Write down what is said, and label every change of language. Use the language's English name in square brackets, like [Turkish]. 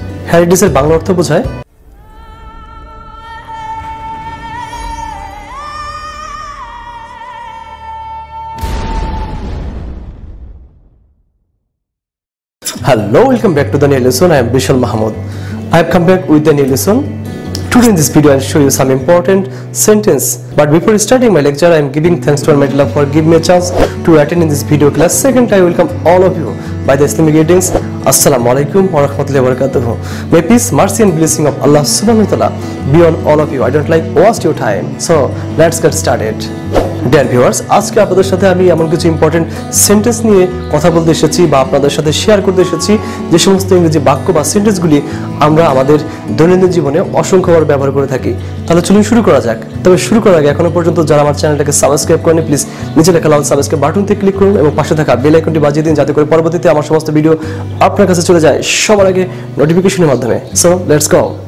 [English] here it is [Bangla] এর বাংলা অর্থ বোঝায় [English] Hello, welcome back to the new lesson. I am Bishal Mahmud, I have come back with the new lesson. Today in this video, I'll show you some important sentence. But before starting my lecture, I am giving thanks to Almighty Allah for giving me a chance to attend in this video class. Second, I welcome all of you by the Islamic greetings. [Arabic] Assalamu alaikum wa rahmatullahi wa barakatuhu. [English] May peace, mercy and blessing of Allah subhanahu wa ta'ala be on all of you. I don't like waste your time. So, let's get started. Dear viewers, [Bangla] আজকে আপনাদের সাথে আমি এমন কিছু important sentence নিয়ে কথা বলতে এসেছি বা আপনাদের সাথে শেয়ার করতে এসেছি, যে সমস্ত ইংরেজি বাক্য বা সেন্টেন্সগুলি আমরা আমাদের দৈনন্দিন জীবনে অসংখ্যবার ব্যবহার করে থাকি। তাহলে চলুন শুরু করা যাক। তবে শুরু করার আগে, এখনো পর্যন্ত যারা আমার চ্যানেলটাকে সাবস্ক্রাইব করেনি, প্লিজ নিচে লেখা লাল সাবস্ক্রাইব বাটনতে ক্লিক করুন এবং পাশে থাকা বেল আইকনটি বাজিয়ে দিন, যাতে করে পরবর্তীতে আমার সমস্ত ভিডিও আপনার কাছে চলে যায় সবার আগে নোটিফিকেশনের মাধ্যমে। [English] So let's go.